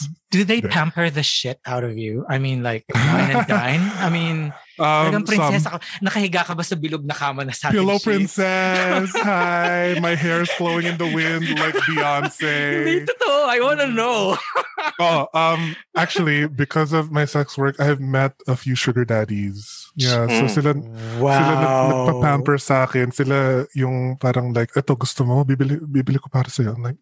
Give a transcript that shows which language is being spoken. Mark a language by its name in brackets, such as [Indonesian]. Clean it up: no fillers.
[English] Do they pamper the shit out of you? I mean, like, wine and dine? I mean, [Filipino] nakahiga ka ba sa bilog na kama na sa akin? [English] Pillow princess, hi. My hair is flowing in the wind like Beyonce. I want to know. Actually, because of my sex work, I have met a few sugar daddies. [Filipino] Yeah, so sila nagpa-pamper sa akin. Sila yung parang like, eto gusto mo, bibili ko para sa'yo. [English] I'm like,